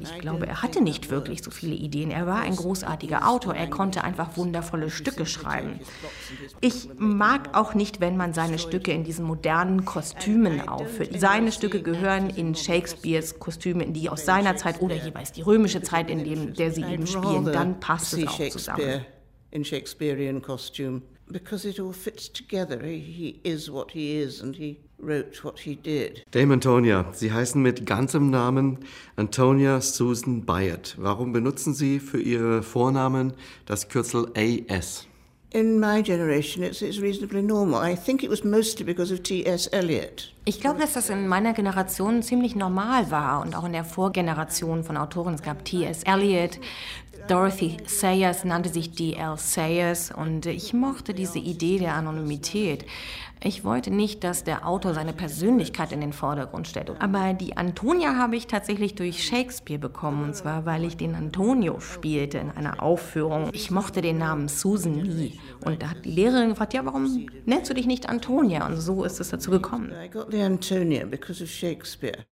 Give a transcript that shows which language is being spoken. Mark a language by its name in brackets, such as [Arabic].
[German] Ich glaube, er hatte nicht wirklich so viele Ideen. Er war ein großartiger Autor. Er konnte einfach wundervolle Stücke Stücke schreiben. Ich mag auch nicht, wenn man seine Stücke in diesen modernen Kostümen aufführt. Seine Stücke gehören in Shakespeares Kostüme, in die aus seiner Zeit oder jeweils die römische Zeit, in dem der sie eben spielen, dann passt es auch zusammen. [English] In Shakespearean costume, because it all fits together. He is what he is and he wrote what he did. [German] Dame Antonia, Sie heißen mit ganzem Namen Antonia Susan Byatt. Warum benutzen Sie für Ihre Vornamen das Kürzel A.S.? [English] In my generation, it's reasonably normal. I think it was mostly because of T.S. Eliot. [German] Ich glaube, dass das in meiner Generation ziemlich normal war und auch in der Vorgeneration von Autoren. Es gab T.S. Eliot, Dorothy Sayers nannte sich D.L. Sayers und ich mochte diese Idee der Anonymität. Ich wollte nicht, dass der Autor seine Persönlichkeit in den Vordergrund stellt. Aber die Antonia habe ich tatsächlich durch Shakespeare bekommen, und zwar, weil ich den Antonio spielte in einer Aufführung. Ich mochte den Namen Susan nie. Und da hat die Lehrerin gefragt, ja, warum nennst du dich nicht Antonia? Und so ist es dazu gekommen. [English] I got the Antonia because of Shakespeare.